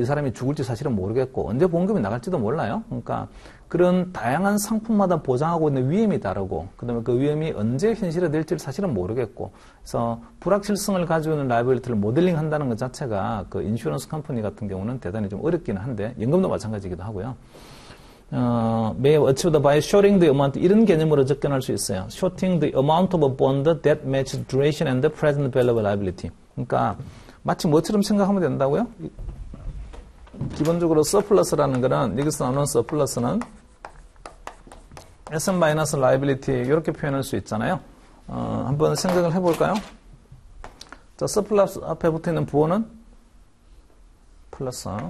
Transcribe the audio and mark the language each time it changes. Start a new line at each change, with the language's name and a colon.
Korean: 이 사람이 죽을지 사실은 모르겠고 언제 보험금이 나갈지도 몰라요. 그러니까 그런 다양한 상품마다 보장하고 있는 위험이 다르고 그다음에 그 위험이 언제 현실화 될지 사실은 모르겠고 그래서 불확실성을 가지고 있는 라이빌리티를 모델링한다는 것 자체가 그 인슈런스 컴퍼니 같은 경우는 대단히 좀 어렵기는 한데 연금도 마찬가지이기도 하고요.
English: May achieve the by shorting the amount
Korean: 이런 개념으로 접근할 수 있어요.
English: Shorting the amount of a bond that matches duration and the present value of liability.
Korean: 그러니까 마치 뭐처럼 생각하면 된다고요? 기본적으로 surplus라는 거는 여기서 나오는 surplus는
English: asset minus liability
Korean: 이렇게 표현할 수 있잖아요. 한번 생각을 해볼까요? 자, surplus 앞에 붙어있는 부호는 플러스.